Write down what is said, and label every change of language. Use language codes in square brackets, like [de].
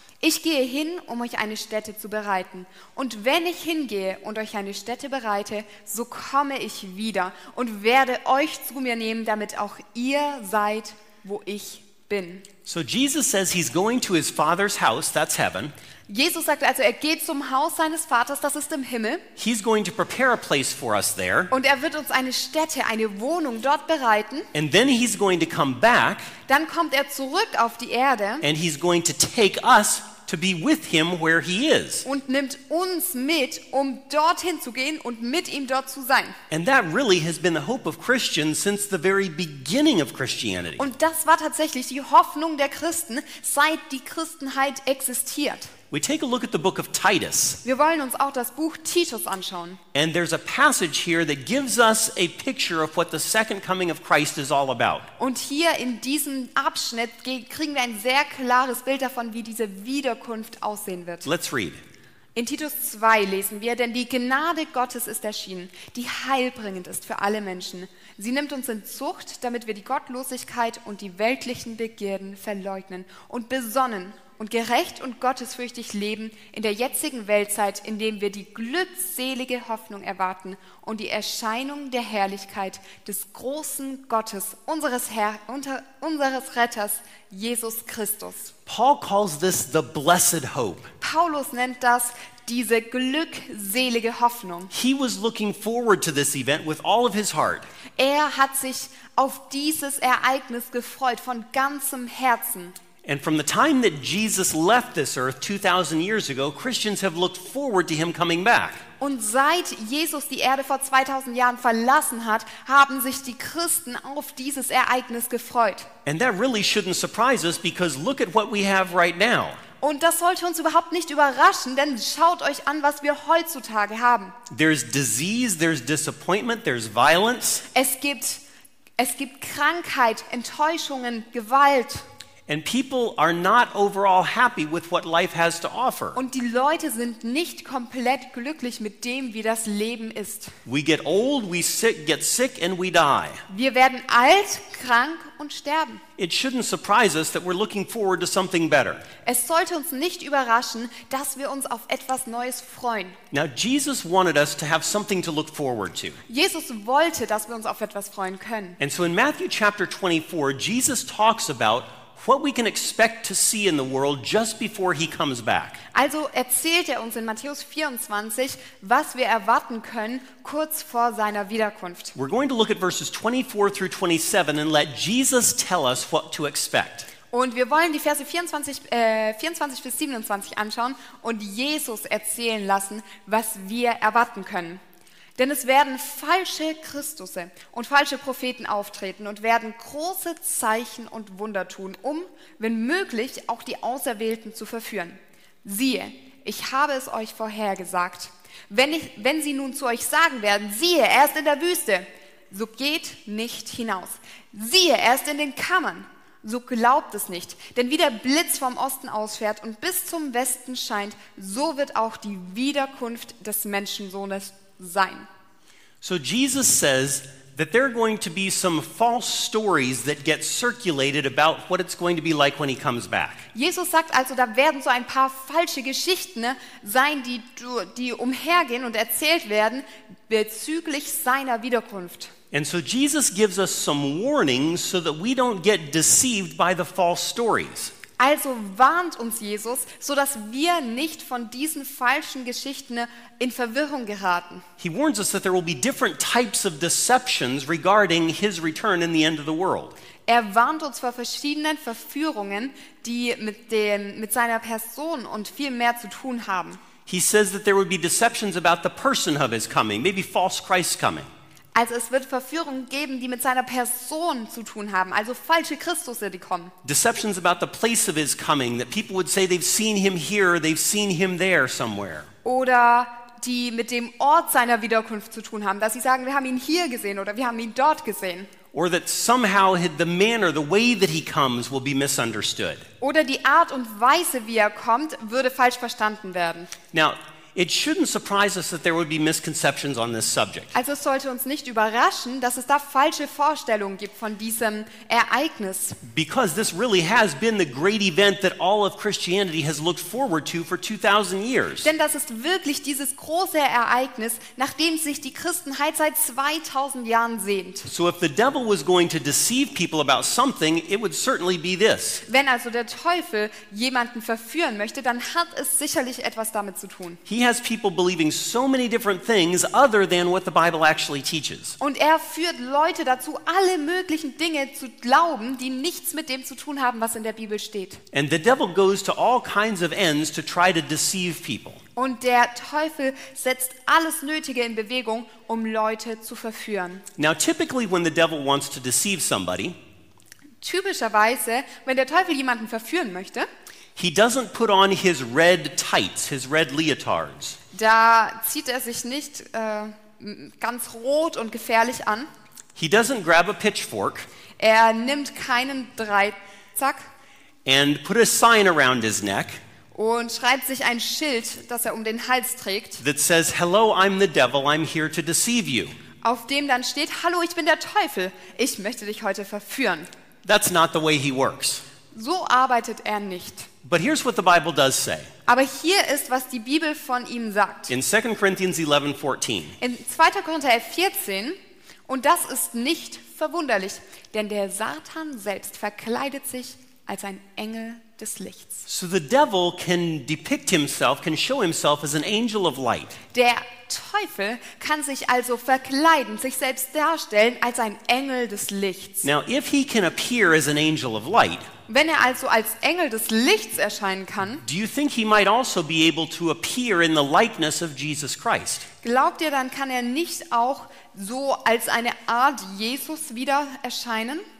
[de] Ich gehe hin, um euch eine Stätte zu bereiten. Und wenn ich hingehe und euch eine Stätte bereite, so komme ich wieder und werde euch zu mir nehmen, damit auch ihr seid, wo ich bin. [en] So Jesus says he's going to his father's house, that's heaven. [de] Jesus sagt also, er geht zum Haus seines Vaters, das ist im Himmel. [en] He's going to prepare a place for us there. [de] Und er wird uns eine Stätte, eine Wohnung dort bereiten. [en] And then he's going to come back. [de] Dann kommt er zurück auf die Erde. [en] And he's going to take us to be with him where he is. [de] Und nimmt uns mit, um dorthin zu gehen und mit ihm dort zu sein. [en] And that really has been the hope of Christians since the very beginning of Christianity. [de] Und das war tatsächlich die Hoffnung der Christen, seit die Christenheit existiert. [en] We take a look at the book of Titus. [de] Wir wollen uns auch das Buch Titus anschauen. [en] And there's a passage here that gives us a picture of what the second coming of Christ is all about. [de] Und hier in diesem Abschnitt kriegen wir ein sehr klares Bild davon, wie diese Wiederkunft aussehen wird. [en] Let's read. [de] In Titus 2 lesen wir, denn die Gnade Gottes ist erschienen, die heilbringend ist für alle Menschen. Sie nimmt uns in Zucht, damit wir die Gottlosigkeit und die weltlichen Begierden verleugnen und besonnen und gerecht und gottesfürchtig leben in der jetzigen Weltzeit, in dem wir die glückselige Hoffnung erwarten und die Erscheinung der Herrlichkeit des großen Gottes, unseres Retters, Jesus Christus. [en] Paul calls this the blessed hope. [de] Paulus nennt das diese glückselige Hoffnung. [en] He was looking forward to this event with all of his heart. [de] Er hat sich auf dieses Ereignis gefreut von ganzem Herzen. [en] And from the time that Jesus left this earth 2000 years ago, Christians have looked forward to him coming back. [de] Und seit Jesus die Erde vor 2000 Jahren verlassen hat, haben sich die Christen auf dieses Ereignis gefreut. [en] And that really shouldn't surprise us, because look at what we have right now. [de] Und das sollte uns überhaupt nicht überraschen, denn schaut euch an, was wir heutzutage haben. [en] There's disease, there's disappointment, there's violence. [de] Es gibt Krankheit, Enttäuschungen, Gewalt. [en] And people are not overall happy with what life has to offer. [de] Und die Leute sind nicht komplett glücklich mit dem, wie das Leben ist. [en] We get old, we get sick and we die. [de] Wir werden alt, krank und sterben. [en] It shouldn't surprise us that we're looking forward to something better. [de] Es sollte uns nicht überraschen, dass wir uns auf etwas Neues freuen. [en] Now Jesus wanted us to have something to look forward to. [de] Jesus wollte, dass wir uns auf etwas freuen können. [en] And so in Matthew chapter 24, Jesus talks about what we can expect to see in the world just before he comes back. [de] Also erzählt uns in Matthäus 24, was wir erwarten können kurz vor seiner Wiederkunft. [en] We're going to look at verses 24 through 27 and let Jesus tell us what to expect. [de] Und wir wollen die Verse 24 bis 27 anschauen und Jesus erzählen lassen, was wir erwarten können. Denn es werden falsche Christusse und falsche Propheten auftreten und werden große Zeichen und Wunder tun, um, wenn möglich, auch die Auserwählten zu verführen. Siehe, ich habe es euch vorhergesagt. Wenn sie nun zu euch sagen werden, siehe, er ist in der Wüste, so geht nicht hinaus. Siehe, er ist in den Kammern, so glaubt es nicht. Denn wie der Blitz vom Osten ausfährt und bis zum Westen scheint, so wird auch die Wiederkunft des Menschensohnes sein. [en] So Jesus says that there are going to be some false stories that get circulated about what it's going to be like when he comes back. [de] Jesus sagt also, da werden so ein paar falsche Geschichten sein, die umhergehen und erzählt werden bezüglich seiner Wiederkunft. [en] And so Jesus gives us some warnings so that we don't get deceived by the false stories. [de] Also warnt uns Jesus, so dass wir nicht von diesen falschen Geschichten in Verwirrung geraten. [en] He warns us that there will be different types of deceptions regarding his return in the end of the world. [de] Er warnt uns vor verschiedenen Verführungen, die mit seiner Person und viel mehr zu tun haben. [en] He says that there will be deceptions about the person of his coming, maybe false Christ coming. [de] Also es wird Verführungen geben, die mit seiner Person zu tun haben, also falsche Christusse, die kommen. [en] Deceptions about the place of his coming, that people would say they've seen him here, they've seen him there somewhere. [de] Oder die mit dem Ort seiner Wiederkunft zu tun haben, dass sie sagen, wir haben ihn hier gesehen oder wir haben ihn dort gesehen. [en] Or that somehow the manner, the way that he comes will be misunderstood. [de] Oder die Art und Weise, wie er kommt, würde falsch verstanden werden. [en] Now, it shouldn't surprise us that there would be misconceptions on this subject. [de] Also es sollte uns nicht überraschen, dass es da falsche Vorstellungen gibt von diesem Ereignis. [en] Because this really has been the great event that all of Christianity has looked forward to for 2000 years. [de] Denn das ist wirklich dieses große Ereignis, nach dem sich die Christenheit seit 2000 Jahren sehnt. [en] So if the devil was going to deceive people about something, it would certainly be this. [de] Wenn also der Teufel jemanden verführen möchte, dann hat es sicherlich etwas damit zu tun. [en] He has people believing so many different things other than what the Bible actually teaches. [de] Und er führt Leute dazu, alle möglichen Dinge zu glauben, die nichts mit dem zu tun haben, was in der Bibel steht. [en] And the devil goes to all kinds of ends to try to deceive people. [de] Und der Teufel setzt alles Nötige in Bewegung, um Leute zu verführen. [en] Now typically when the devil wants to deceive somebody, [de] typischerweise, wenn der Teufel jemanden verführen möchte, [en] he doesn't put on his red tights, his red leotards. [de] Da zieht er sich nicht ganz rot und gefährlich an. [en] He doesn't grab a pitchfork. [de] Er nimmt keinen Dreizack. [en] And put a sign around his neck. [de] Und schreibt sich ein Schild, das er um den Hals trägt. [en] That says, "Hello, I'm the devil. I'm here to deceive you." [de] Auf dem dann steht, "Hallo, ich bin der Teufel. Ich möchte dich heute verführen." [en] That's not the way he works. [de] So arbeitet er nicht. [en] But here's what the Bible does say. [de] Aber hier ist, was die Bibel von ihm sagt. [en] In 2 Corinthians 11:14. [de] In 2. Korinther 14, und das ist nicht verwunderlich, denn der Satan selbst verkleidet sich als ein Engel des Lichts. [en] So the devil can depict himself, can show himself as an angel of light. [de] Der Teufel kann sich also verkleiden, sich selbst darstellen als ein Engel des Lichts. [en] Now if he can appear as an angel of light, [de] wenn er also als Engel des Lichts erscheinen kann, [en] do you think he might also be able to appear in the likeness of Jesus Christ? [de] Glaubt ihr, dann kann er nicht auch so als eine Art Jesus wieder erscheinen?